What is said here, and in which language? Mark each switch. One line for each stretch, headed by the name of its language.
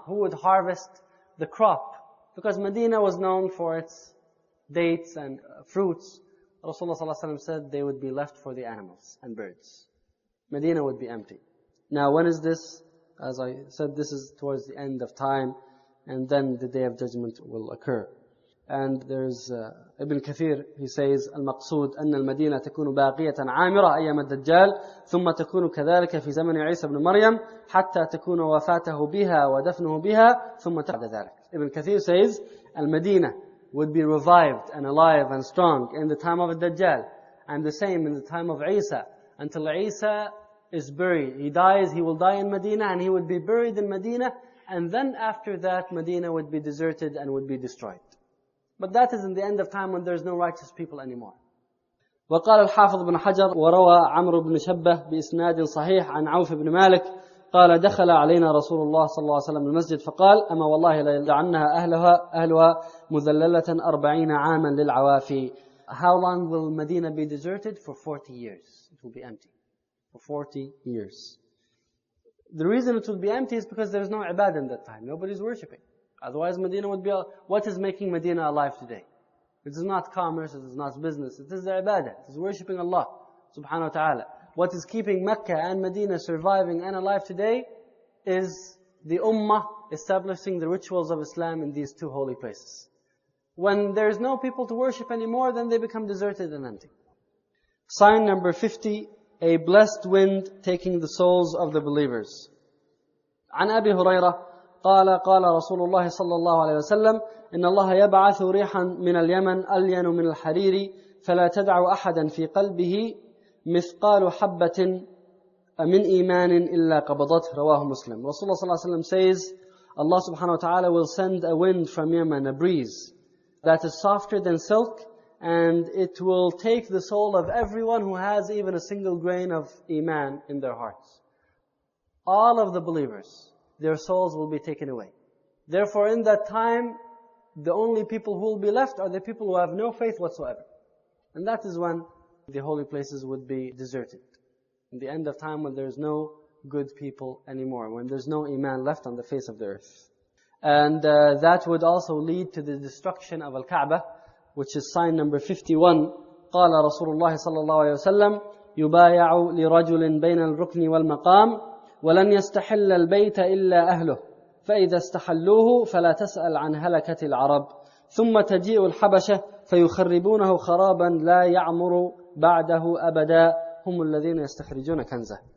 English: Who would harvest the crop? Because Medina was known for its dates and fruits. Rasulullah ﷺ said they would be left for the animals and birds. Medina would be empty. Now when is this? As I said, this is towards the end of time, and then the Day of Judgment will occur. And there's Ibn Kathir, he says,
Arabic: المقصود أن المدينة تكون باقية عامرة أيام الدجال ثم تكون كذلك في زمن عيسى بن مريم حتى تكون وفاته بها ودفنه بها ثم تعد ذلك.
English: Ibn Kathir says, المدينة would be revived and alive and strong in the time of الدجال and the same in the time of عيسى until عيسى is buried. He dies, he will die in Medina and he would be buried in Medina, and then after that Medina would be deserted and would be destroyed. But that is in the end of time when there is no righteous people anymore.
Arabic: وقال الحافظ بن حجر وروى عمرو بن شبه بإسناد صحيح عن عوف بن مالك قال دخل علينا رسول الله صلى الله عليه وسلم المسجد فقال أما والله لا يدعنها أهلها مذللة 40 عاما للعوافي.
English: How long will Medina be deserted? For 40 years. It will be empty. For 40 years. The reason it will be empty is because there is no ibadah in that time. Nobody is worshipping. Otherwise, Medina would be... What is making Medina alive today? It is not commerce, it is not business. It is the ibadah. It is worshipping Allah, subhanahu wa ta'ala. What is keeping Mecca and Medina surviving and alive today is the ummah establishing the rituals of Islam in these two holy places. When there is no people to worship anymore, then they become deserted and empty. Sign number 50, a blessed wind taking the souls of the believers.
Arabic: عن أبي هريرة قال قال رسول الله صلى الله عليه وسلم إن الله يبعث ريحا من اليمن ألين من الحرير فلا تدع أحدا في قلبه مثقال حبة من إيمان إلا قبضته رواه مسلم. رسول الله صلى الله عليه وسلم
English: says Allah subhanahu wa ta'ala will send a wind from Yemen, a breeze that is softer than silk, and it will take the soul of everyone who has even a single grain of Iman in their hearts. All of the believers, their souls will be taken away. Therefore, in that time, the only people who will be left are the people who have no faith whatsoever. And that is when the holy places would be deserted. In the end of time, when there is no good people anymore, when there is no iman left on the face of the earth. And that would also lead to the destruction of Al-Kaaba, which is sign number 51.
Arabic: قال رسول الله صلى الله عليه وسلم يبايع لرجل بين الركن والمقام ولن يستحل البيت إلا أهله فإذا استحلوه فلا تسأل عن هلكة العرب ثم تجيء الحبشة فيخربونه خرابا لا يعمر بعده أبدا هم الذين يستخرجون كنزه.